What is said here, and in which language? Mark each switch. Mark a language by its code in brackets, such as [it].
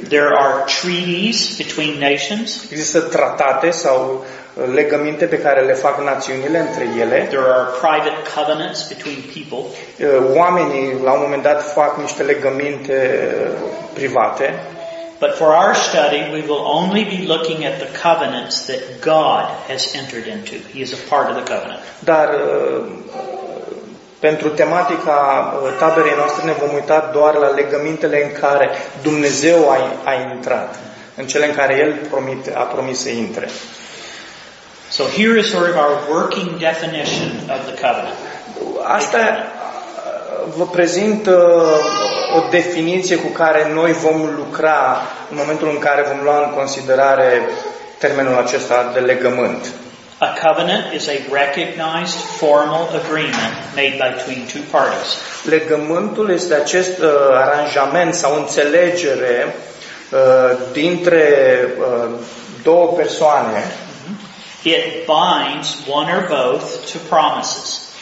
[en] There are treaties between nations. [ro] Există tratate sau legăminte pe care le fac națiunile între ele. [en] There are private covenants between people. [ro] Oamenii la un moment dat fac niște legăminte private. [en] But for our study, we will only be looking at the covenants that God has entered into. He is a part of the covenant. [ro] Dar pentru tematica taberei noastre ne vom uita doar la legămintele în care Dumnezeu a intrat, în cele în care El a promis să intre. [en] So here is sort of our working definition of the covenant. [ro] Asta vă prezint o definiție cu care noi vom lucra în momentul în care vom lua în considerare termenul acesta de legământ. [en] A covenant is a recognized formal agreement made between two parties. [ro] Legământul este acest aranjament sau înțelegere dintre două persoane. [en] It binds one or both to promises.